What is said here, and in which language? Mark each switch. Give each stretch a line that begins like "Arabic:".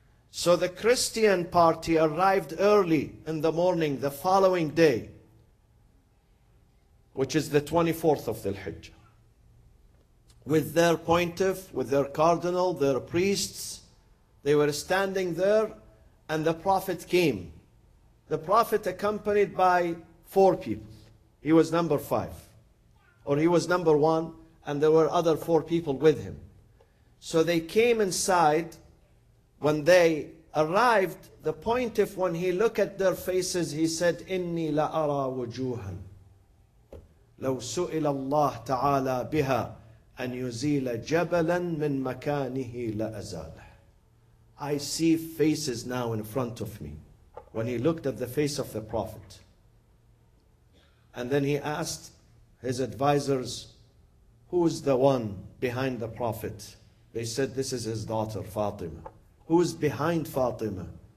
English: So the Christian party arrived early in the morning the following day, which is the 24th of Dhul Hijjah, with their pontiff, with their cardinal, their priests. They were standing there, and the Prophet came. The Prophet accompanied by 4 people. He was number 5, or he was number 1, and there were other 4 people with him. So they came inside. When they arrived, the pontiff, when he looked at their faces, he said,
Arabic: إِنِّي لَأَرَى وُجُوهًا لَوْ سُئِلَ اللَّهُ تَعَالَى بِهَا أَنْ يُزِيلَ جَبَلًا مِنْ مَكَانِهِ لَأَزَالَهُ.
English: I see faces now in front of me. When he looked at the face of the Prophet, and then he asked his advisors, who is the one behind the Prophet? They said, this is his daughter, Fatima. Who is behind Fatima?